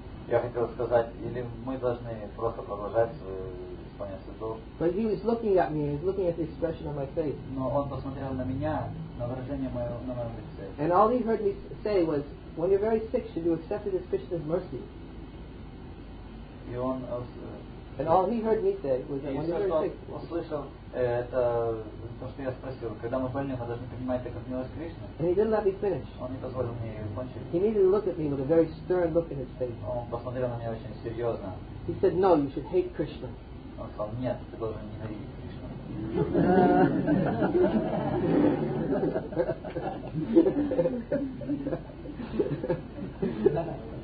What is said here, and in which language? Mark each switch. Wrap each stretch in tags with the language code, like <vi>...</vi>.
<ru>Я хотел сказать, или мы должны просто продолжать исполнять свой долг.</ru> <en>But he was looking at me, he was looking at the expression of my face.</en> <ru>Но он посмотрел на меня, на выражение моего, на моем лице.</ru> <en>And all he heard me say was, when you're very sick, should you accept it as Krishna's mercy?</en> <ru>И он</ru> <en>And all he heard me say was, when you're very sick.</en> <ru>Он услышал это, то, что я спросил, когда мы больны, мы должны принимать это как милость Кришны.</ru> <en>And he didn't let me finish.</en> <ru>Он не позволил мне закончить.</ru> <en>He immediately looked at me with a very stern look in his face.</en> <ru>Он посмотрел на меня очень серьезно.</ru> <en>He said, no, you should hate Krishna.</en> <ru>Он сказал, нет, ты должен ненавидеть Кришну.</ru>